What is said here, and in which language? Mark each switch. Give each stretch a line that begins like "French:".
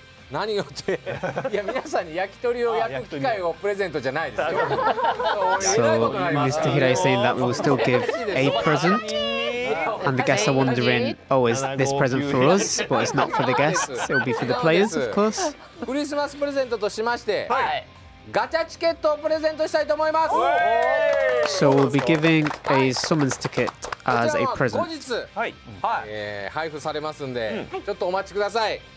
Japanese: 何をって、いや皆さんに焼き鳥を焼く機会をプレゼントじゃないですよ。
English: So Mr. Hirai is saying that we will still give a present, and the guests are wondering, oh, is this present for us? But it's not for the guests. It will be for the players, of course.
Japanese: クリスマスプレゼントとしまして、ガチャチケットをプレゼントしたいと思います。
English: So we'll be giving a summons ticket as a present.
Japanese: 後日、配布されますんで、ちょっとお待ちください。